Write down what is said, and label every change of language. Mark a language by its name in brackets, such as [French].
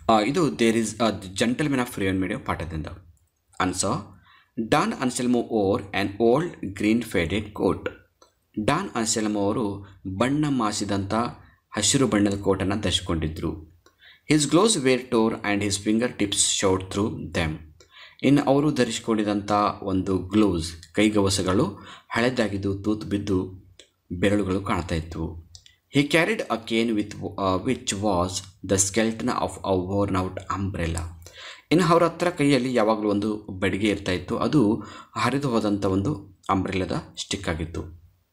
[Kannada] ಇದು [English] there is a gentlemen of free and medium [Kannada] ಪಾಠದಿಂದ. [English] Answer: Don Anselmo wore an old green faded coat. [Kannada] Don Anselmo ಅವರು ಬಣ್ಣ ಮಾಸಿದಂಥ ಹಸಿರು ಬಣ್ಣದ ಕೋಟನ್ನು ಧರಿಸಿಕೊಂಡಿದ್ದರು. [English] His gloves were torn and his fingertips showed through them. [Kannada] ಇನ್ನು ಅವರು ಧರಿಸಿಕೊಂಡಿದ್ದಂಥ ಒಂದು gloves ಕೈಗವಸಗಳು ಹಳೆದಾಗಿದ್ದು ತೂತು ಬಿದ್ದು ಬೆರಳುಗಳು ಕಾಣ್ತಾ ಇತ್ತು. [English] He carried a cane with which was the skeleton of a worn out umbrella. [Kannada] ಇನ್ನು ಅವರ ಹತ್ರ ಕೈಯಲ್ಲಿ ಯಾವಾಗಲೂ ಒಂದು ಬೆಡಿಗೆ ಇರ್ತಾ ಇತ್ತು, ಅದು ಹರಿದು ಹೋದಂಥ ಒಂದು ಅಂಬ್ರೆಲಾದ ಸ್ಟಿಕ್ ಆಗಿತ್ತು.